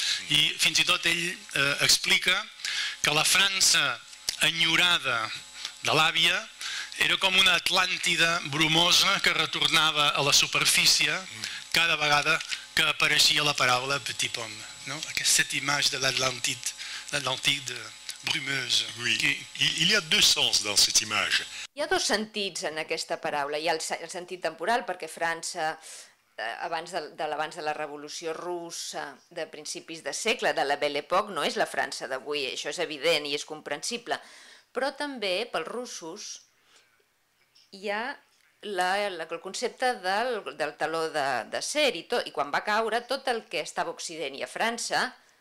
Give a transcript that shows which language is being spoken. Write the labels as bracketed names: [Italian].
[Catalan] I fins i tot ell explica que la França enyorada de l'àvia era com una Atlàntida brumosa que retornava a la superfície cada vegada que apareixia la paraula petit pomme. No? Aquesta imatge de l'Atlàntida brumosa. [French] Oui. Il y a deux sens dans cette image. [Catalan] Hi ha dos sentits en aquesta paraula. Hi ha el sentit temporal, perquè França abans de la Revolució Russa, de principis de segle, de la Belle Époque, no és la França d'avui, això és evident i és comprensible, però també pels russos hi ha el concepte del taló d'acer i quan va caure tot el que estava a Occident i a França